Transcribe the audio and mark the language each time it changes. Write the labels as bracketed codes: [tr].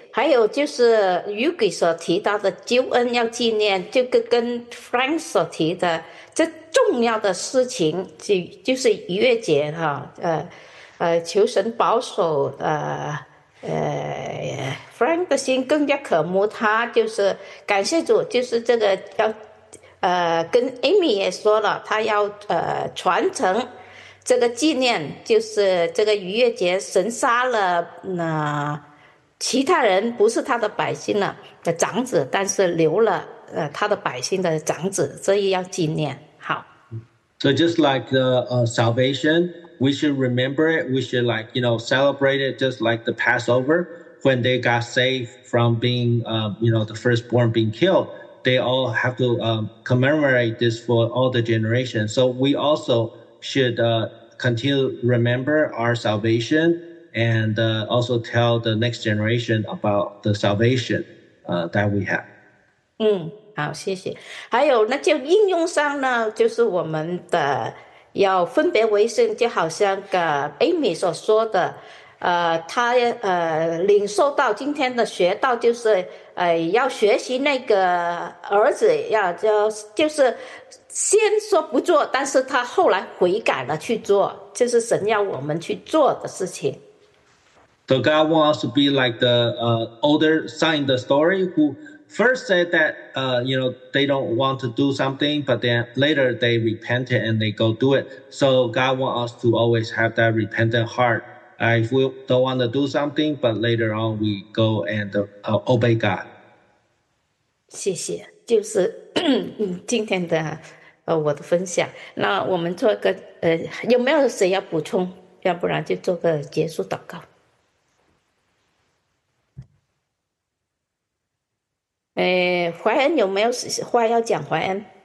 [zh] 还有就是 Yugi 所提到的救恩要纪念，就跟 Frank 所提的这重要的事情，就是逾越节哈，求神保守Frank 的心更加渴慕他，就是感谢主，就是这个要跟 Amy 也说了，他要传承这个纪念，就是这个逾越节神杀了那。其他人不是他的百姓了的长子，但是留了他的百姓的长子，所以要纪念。好。 [en] So just like the salvation, we should remember it. We should like, you know, celebrate it just like the Passover when they got saved from being, you know, the firstborn being killed. They all have to commemorate this for all the generations. So we also should continue to remember our salvation. And also tell the next generation about the salvation that we have. [zh] 嗯，好，谢谢。还有那就应用上呢，就是我们的要分别为圣，就好像个 Amy 所说的，他领受到今天的学道，就是要学习那个儿子，要就是先说不做，但是他后来悔改了去做，就是神要我们去做的事情。 [en] So God wants us to be like the older son in the story who first said that, you know, they don't want to do something, but then later they repented and they go do it. So God wants us to always have that repentant heart. If we don't want to do something, but later on we go and obey God. [zh] 谢谢，就是今天的我的分享。那我们做个有没有谁要补充？要不然就做个结束祷告。怀恩有没有话要讲？怀恩，